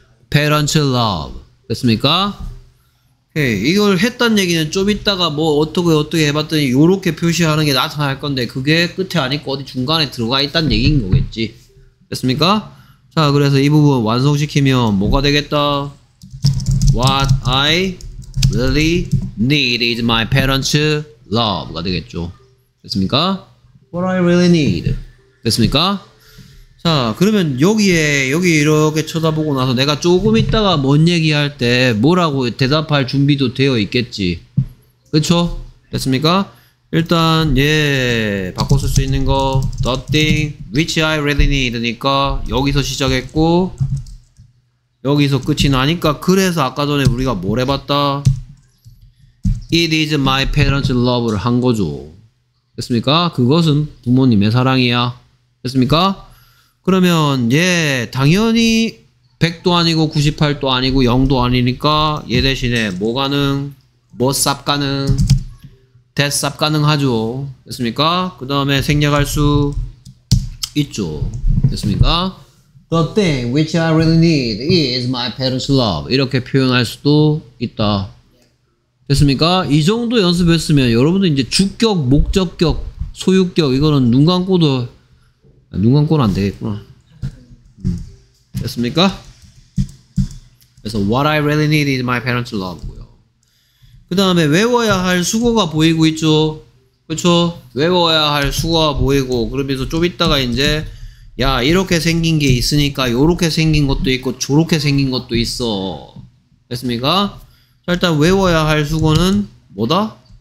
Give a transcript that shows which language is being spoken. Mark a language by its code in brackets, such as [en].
[en] Parents love. [ko] 됐습니까? 오케이. 이걸 했단 얘기는 좀 이따가 뭐 어떻게 해봤더니 요렇게 표시하는 게 나타날 건데 그게 끝에 아니고 어디 중간에 들어가 있단 얘기인 거겠지. 됐습니까? 자, 그래서 이 부분 완성시키면 뭐가 되겠다? [en] What I really need is my parents' love가 [ko] 되겠죠. 됐습니까? [en] What I really need. 됐습니까? [ko] 자, 그러면 여기 이렇게 쳐다보고 나서 내가 조금 있다가 뭔 얘기할 때 뭐라고 대답할 준비도 되어 있겠지. 그쵸? 됐습니까? 일단 예, 바꿔 쓸 수 있는 거 [en] the thing which I really need [ko] 니까 여기서 시작했고 여기서 끝이 나니까 그래서 아까 전에 우리가 뭘 해봤다? [en] It is my parents' love를 [ko] 한 거죠. 됐습니까? 그것은 부모님의 사랑이야. 됐습니까? 그러면 얘 당연히 100도 아니고 98도 아니고 0도 아니니까 얘 대신에 뭐 가능? 뭐 쌉 가능? 대쌉 가능하죠. 됐습니까? 그 다음에 생략할 수 있죠. 됐습니까? [en] The thing which I really need is my parents' love. [ko] 이렇게 표현할 수도 있다. 됐습니까? 이 정도 연습했으면 여러분들 이제 주격, 목적격, 소유격 이거는 눈 감고도 눈 감고는 안 되겠구나. 됐습니까? 그래서 [en] What I really need is my parents' love고요. [ko] 그 다음에 외워야 할 수고가 보이고 있죠? 그렇죠? 외워야 할 수고가 보이고 그러면서 좀 있다가 이제 야 이렇게 생긴 게 있으니까 요렇게 생긴 것도 있고 저렇게 생긴 것도 있어. 됐습니까? 일단 외워야 할 수고는 뭐다?